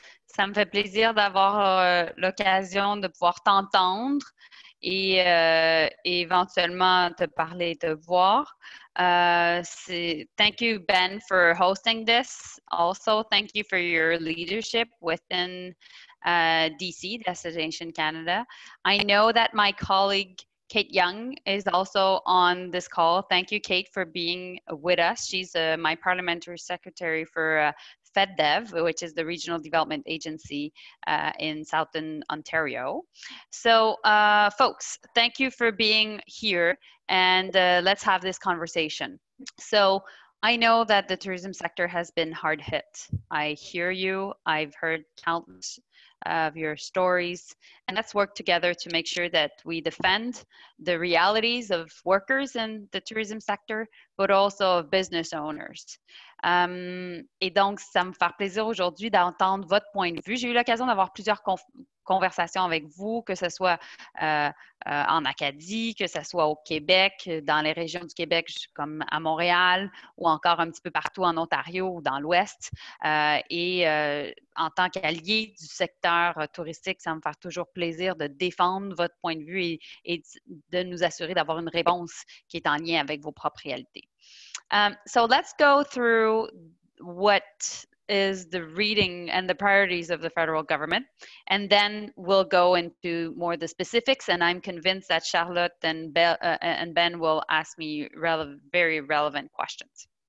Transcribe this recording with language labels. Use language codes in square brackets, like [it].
[fr] Ça me fait plaisir d'avoir l'occasion de pouvoir t'entendre et éventuellement te parler et te voir. [en] Thank you, Ben, for hosting this. Also, thank you for your leadership within DC, Destination Canada. I know that my colleague, Kate Young, is also on this call. Thank you, Kate, for being with us. She's my parliamentary secretary for FedDev, which is the regional development agency in Southern Ontario. So folks, thank you for being here and let's have this conversation. So I know that the tourism sector has been hard hit. I hear you, I've heard countless of your stories, and let's work together to make sure that we defend the realities of workers in the tourism sector, but also of business owners. [fr] Et donc, ça me fait plaisir aujourd'hui d'entendre votre point de vue. J'ai eu l'occasion d'avoir plusieurs conversations avec vous, que ce soit en Acadie, que ce soit au Québec, dans les régions du Québec comme à Montréal ou encore un petit peu partout en Ontario ou dans l'Ouest. En tant qu'allié du secteur touristique, ça me fait toujours plaisir de défendre votre point de vue et de nous assurer d'avoir une réponse qui est en lien avec vos propres réalités. [en] So let's go through what is the reading and the priorities of the federal government, and then we'll go into more of the specifics, and I'm convinced that Charlotte and Ben will ask me very relevant questions.